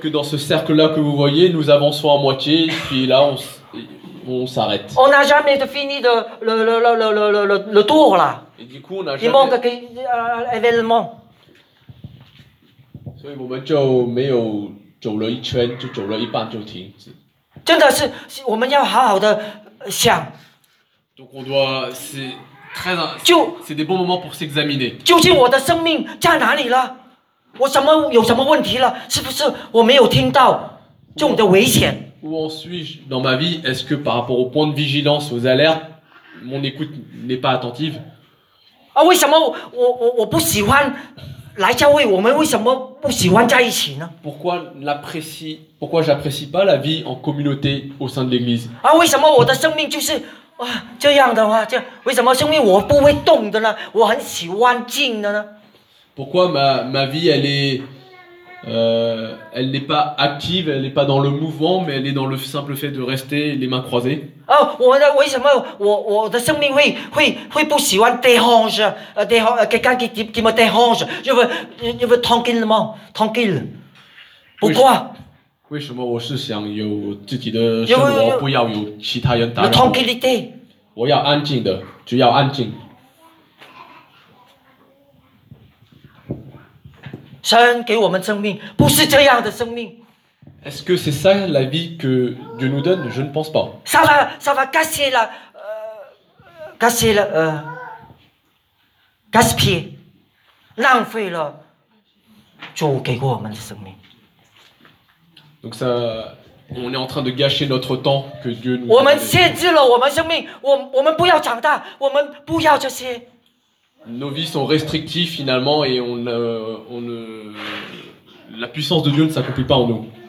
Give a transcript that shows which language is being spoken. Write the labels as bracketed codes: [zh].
[fr] que dans ce cercle-là que vous voyez, nous avançons à moitié, puis là, on s'arrête. On n'a jamais fini le tour là. Et du coup, on a jamais. Il manque l'événement. Donc, nous n'avons pas. [zh] 走了一圈就走了一半就停真的是我们要好好的想 [fr] Donc on doit, c'est des bons moments pour s'examiner [zh] 究竟我的生命在哪里了我什么有什么问题了是不是我没有听到这种的危险 [fr] Où en suis-je dans ma vie Est-ce que par rapport au point de vigilance, aux alertes, mon écoute n'est pas attentive [zh] 啊为什么我不喜欢来教会我们为什么不喜欢在一起呢 [fr] Pourquoi j'apprécie pas la vie en communauté au sein de l'église [zh] 啊为什么我的生命就是这样的话这为什么生命我不会动的呢我很喜欢静的呢 [fr] Pourquoi ma vie elle n'est pas active, elle n'est pas dans le mouvement, mais elle est dans le simple fait de rester les mains croisées. Oh, [zh] 为什么我的生命会不喜欢 [fr] dérange, quelqu'un qui me dérange, je veux tranquillement, tranquille. Pourquoi? [zh] 为什么我是想有自己的生活，不要有其他人打扰 [fr] ？Tranquillité. [zh] 我要安静的，只要安静。神给我们生命，不是这样的生命。 [fr] Est-ce que c'est ça la vie que Dieu nous donne? Je ne pense pas. Ça va casser la, casser la, gaspiller, [zh] 浪费了主给我们的生命。 [fr] Donc ça, on est en train de gâcher notre temps que Dieu nous. [zh] 我们限制了我们生命，我们不要长大，我们不要这些。 [fr] Nos vies sont restrictives finalement et la puissance de Dieu ne s'accomplit pas en nous.